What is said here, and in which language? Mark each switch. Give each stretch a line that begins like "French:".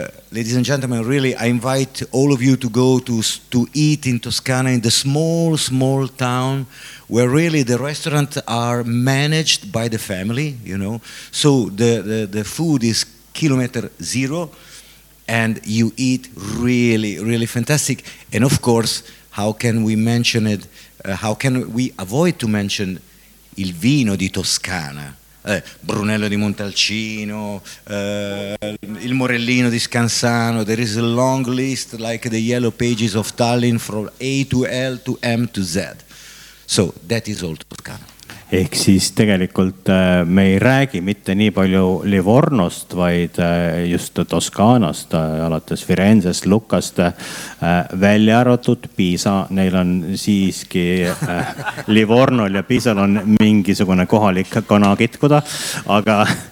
English: Ladies and gentlemen, really, I invite all of you to go to eat in Toscana in the small town where really the restaurants are managed by the family, you know. So the food is kilometer zero and you eat really, really fantastic. And of course, how can we mention it? How can we avoid to mention
Italian: il vino di Toscana? Brunello di Montalcino, il Morellino di Scansano.
English: There is a long list, like the yellow pages of Tallinn, from A to L to M to Z. So that is all Toscana.
Estonian: Ehk siis tegelikult me ei räägi mitte nii palju Livornost, vaid just Toskaanast, alates Firenzest, Lukast, välja arvatud Pisa. Neil on siiski Livornol ja Pisal on mingisugune kohalik kana kitkuda, aga...